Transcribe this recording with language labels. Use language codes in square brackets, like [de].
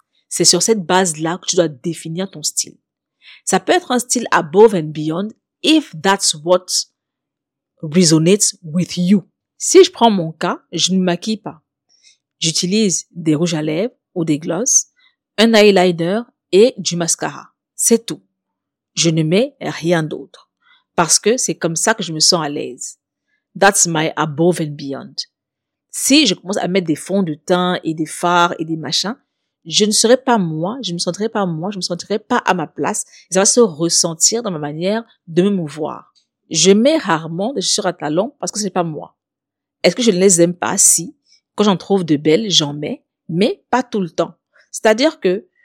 [fr] C'est sur cette base-là que tu dois définir ton style. Ça peut être un style [en] above and beyond if that's what resonates with you. [fr] Si je prends mon cas, je ne maquille pas. J'utilise des rouges à lèvres ou des glosses, un eyeliner et du mascara. C'est tout. Je ne mets rien d'autre. Parce que c'est comme ça que je me sens à l'aise. [en] That's my above and beyond. [fr] Si je commence à mettre des fonds de teint et des fards et des machins, je ne serai pas moi, je ne me sentirai pas moi, je ne me sentirai pas à ma place. Ça va se ressentir dans ma manière de me mouvoir. Je mets rarement des chaussures à talons parce que ce n'est pas moi. Est-ce que je ne les aime pas? Si. Quand j'en trouve de belles, j'en mets, mais pas tout le temps. C'est-à-dire que